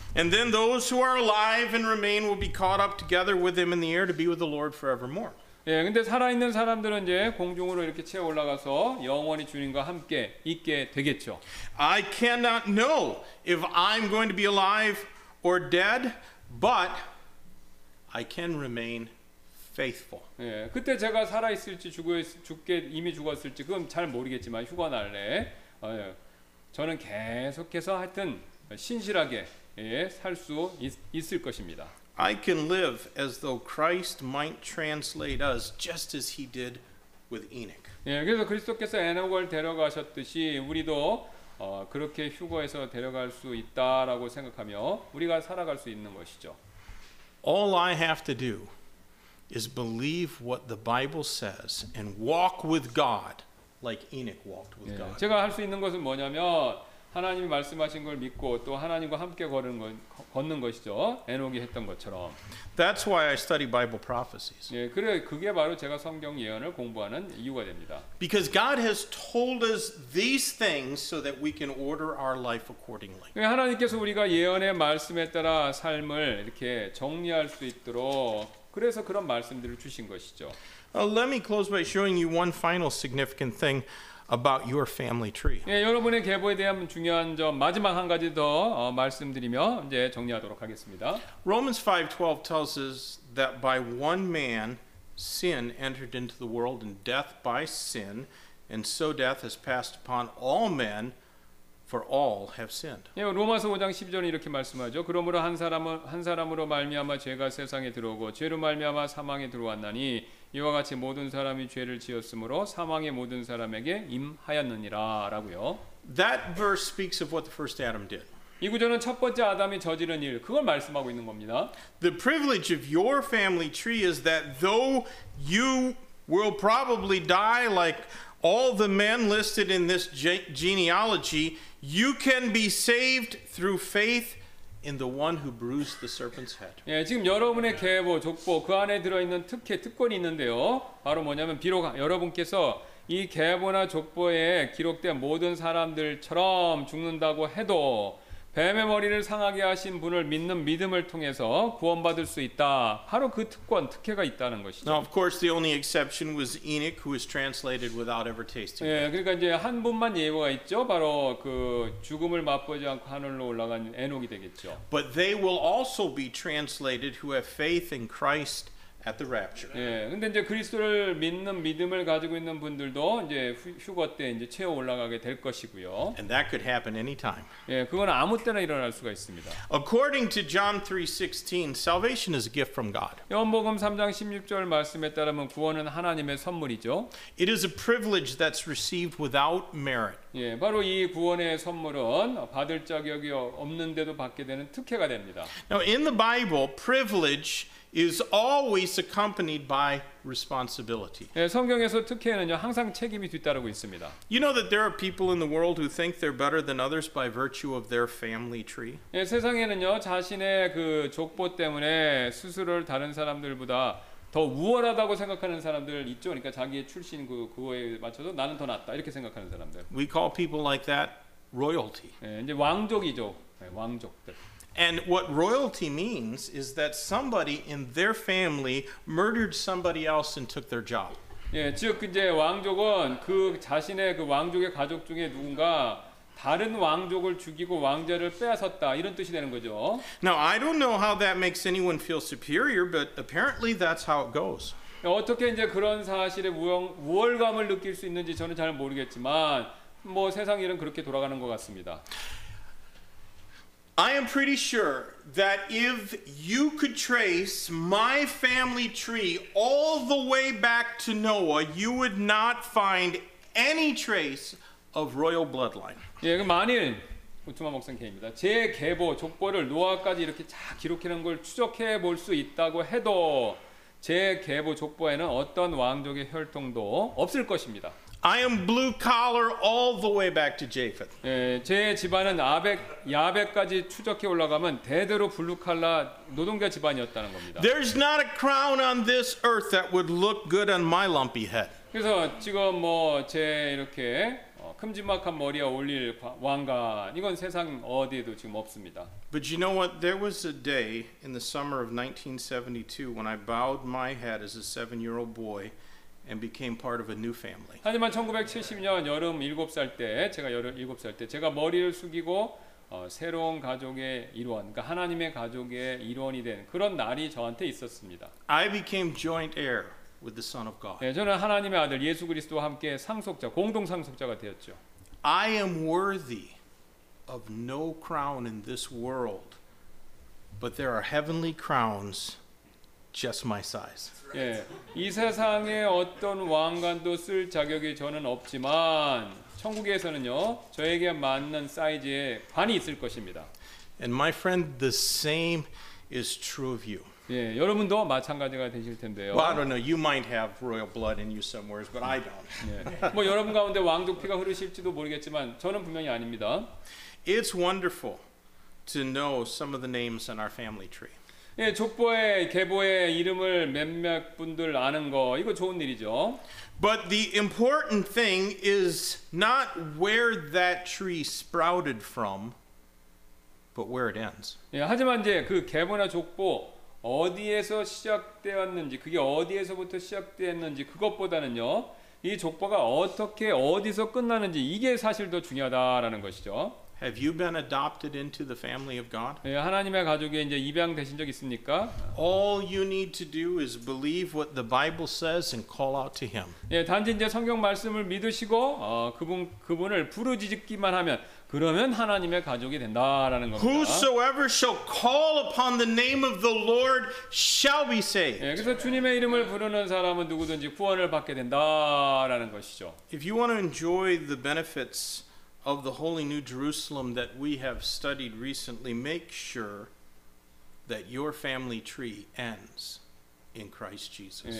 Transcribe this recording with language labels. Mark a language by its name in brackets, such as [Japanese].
[English] And then those who are alive and remain will be caught up together with them in the air to be with the Lord forevermore. [Korean] 예, 근데 살아있는 사람들은 이제 공중으로 이렇게 채워 올라가서 영원히 주님과 함께 있게 되겠죠. [English] I cannot know if I'm going to be alive or dead, but I can remain faithful. [Korean] 예, 그때 제가 살아 있을지 죽게 이미 죽었을지 그건 잘 모르겠지만 휴가 날래 저는 계속해서 하여튼 신실하게 예, 살 수 있을 것입니다. [English] I can live as though Christ might translate us just as he did with Enoch. [Korean] 예, 그래서 그리스도께서 에녹을 데려가셨듯이 우리도 그렇게 휴거에서 데려갈 수 있다라고 생각하며 우리가 살아갈 수 있는 것이죠. [English] All I have to do is believe what the Bible says and walk with God like Enoch walked with 예, God. [Korean] 제가 할 수 있는 것은 뭐냐면 하나님이 말씀하신 걸 믿고 또 하나님과 함께 걸은 건 걷는 것이죠. 에녹이 했던 것처럼. [English] That's why I study Bible prophecies. [Korean] 예, 그래 그게 바로 제가 성경 예언을 공부하는 이유가 됩니다. [English] Because God has told us these things so that we can order our life accordingly. [Korean] 예, 하나님께서 우리가 예언의 말씀에 따라 삶을 이렇게 정리할 수 있도록 그래서 그런 말씀들을 주신 것이죠. [English] Let me close by showing you one final significant thing about your family tree. [Korean] 예, 여러분의 계보에 대한 중요한 점 마지막 한 가지 더 말씀드리며 이제 정리하도록 하겠습니다. [English] Romans 5:12 tells us that by one man sin entered into the world and death by sin and so death has passed upon all men for all have sinned. [Korean] 예, 로마서 5장 12절에 이렇게 말씀하죠. 그러므로 한 사람으로 말미암아 죄가 세상에 들어오고 죄로 말미암아 사망에 들어왔나니 이와 같이 모든 사람이 죄를 지었으므로 사망의 모든 사람에게 임하였느니라라고요. [English] That verse speaks of what the first Adam did. [Korean] 이 구절은 첫 번째 아담이 저지른 일 그걸 말씀하고 있는 겁니다. [English] The privilege of your family tree is that though you will probably die like all the men listed in this genealogy, you can be saved through faith in the one who bruised the serpent's head. [Korean] 예, 지금 여러분의 계보, 족보 그 안에 들어 있는 특혜, 특권이 있는데요. 바로 뭐냐면 비록 여러분께서 이 계보나 족보에 기록된 모든 사람들처럼 죽는다고 해도 뱀의 머리를 상하게 하신 분을 믿는 믿음을 통해서 구원받을 수 있다. 바로 그 특권, 특혜가 있다는 것이죠. [English] Now, of course, the only exception was Enoch, who was translated without ever tasting. [Korean] 예, 그러니까 이제 한 분만 예외가 있죠. 바로 그 죽음을 맛보지 않고 하늘로 올라간 에녹이 되겠죠. [English] But they will also be translated who have faith in Christ at the rapture. [Korean] 예, 근데 이제 그리스도를 믿는 믿음을 가지고 있는 분들도 이제 휴거 때 이제 채워 올라가게 될 것이고요. [English] And that could happen anytime. [Korean] 예, 그건 아무 때나 일어날 수가 있습니다. [English] According to John 3:16, salvation is a gift from God. [Korean] 요한복음 3장 16절 말씀에 따르면 구원은 하나님의 선물이죠. [English] It is a privilege that's received without merit. [Korean] 예, 바로 이 구원의 선물은 받을 자격이 없는데도 받게 되는 특혜가 됩니다. [English] Now in the Bible, privilege is always accompanied by responsibility. [Korean] 예, 성경에서 특혜는요 항상 책임이 뒤따르고 있습니다. [English] You know that there are people in the world who think they're better than others by virtue of their family tree. [Korean] 예, 세상에는요 자신의 그 족보 때문에 스스로를 다른 사람들보다 더 우월하다고 생각하는 사람들 있죠. 그러니까 자기의 출신 그 그거에 맞춰서 나는 더 낫다 이렇게 생각하는 사람들. [English] We call people like that royalty. [Korean] 예, 이제 왕족이죠. 예, 왕족들. [English] And what royalty means is that somebody in their family murdered somebody else and took their job. [Korean] 예, 즉 이제 왕족은 그 자신의 그 왕족의 가족 중에 누군가 다른 왕족을 죽이고 왕자를 빼앗았다 이런 뜻이 되는 거죠. [English] Now I don't know how that makes anyone feel superior, but apparently that's how it goes. [Korean] 어떻게 이제 그런 사실에 우월감을 느낄 수 있는지 저는 잘 모르겠지만 뭐 세상 일은 그렇게 돌아가는 것 같습니다. [English] I am pretty sure that if you could trace my family tree all the way back to Noah, you would not find any trace of royal bloodline. [Korean] 예, 만일 우투마 목사님입니다. 제 계보, 족보를 노아까지 이렇게 다 기록하는 걸 추적해 볼 수 있다고 해도 제 계보 족보에는 어떤 왕족의 혈통도 없을 것입니다. [English] I am blue collar all the way back to Japheth. [Korean] 예, 제 집안은 아벡, 야벡까지 추적해 올라가면 대대로 블루칼라 노동자 집안이었다는 겁니다. [English] There's not a crown on this earth that would look good on my lumpy head. [Korean] 그래서 지금 뭐 제 이렇게 큼지막한 머리에 올릴 왕관 이건 세상 어디에도 지금 없습니다. [English] But you know what? There was a day in the summer of 1972 when I bowed my head as a seven-year-old boy. And became part of a new family. [Korean] 하지만 1970년 여름 7살 때 제가 여름 7살 때 제가 머리를 숙이고 새로운 가족의 일원, 그러니까 하나님의 가족의 일원이 된 그런 날이 저한테 있었습니다. [English] I became joint heir with the Son of God. [Korean] 예, 저는 하나님의 아들 예수 그리스도와 함께 상속자, 공동 상속자가 되었죠. [English] I am worthy of no crown in this world, but there are heavenly crowns. Just my size. [Korean] 예, 이 세상에 어떤 왕관도 쓸 자격이 저는 없지만 천국에서는요 저에게 맞는 사이즈의 관이 있을 것입니다. [English] And my friend, the same is true of you. [Korean] 예, 여러분도 마찬가지가 되실 텐데요. [English] Well, I don't know. You might have royal blood in you somewhere, but I don't. [Korean] 예, 뭐 여러분 가운데 왕족 피가 흐르실지도 모르겠지만 저는 분명히 아닙니다. [English] It's wonderful to know some of the names in our family tree. [Korean] 예, 족보의 계보의 이름을 몇몇 분들 아는 거 이거 좋은 일이죠. [English] But the important thing is not where that tree sprouted from, but where it ends. [Korean] 예, 하지만 이제 그 계보나 족보 어디에서 시작되었는지 그게 어디에서부터 시작되었는지 그것보다는요 이 족보가 어떻게 어디서 끝나는지 이게 사실 더 중요하다라는 것이죠. [English] Have you been adopted into the family of God? [Korean] 예, 하나님의 가족에 이제 입양되신 적 있습니까? [English] All you need to do is believe what the Bible says and call out to Him. [Korean] 예, 단지 이제 성경 말씀을 믿으시고 그분을 부르짖기만 하면 그러면 하나님의 가족이 된다라는 겁니다. [English] Whosoever shall call upon the name of the Lord shall be saved. [Korean] 예, 그래서 주님의 이름을 부르는 사람은 누구든지 구원을 받게 된다라는 것이죠. [English] If you want to enjoy the benefits of the Holy New Jerusalem that we have studied recently, make sure that your family tree ends in Christ Jesus.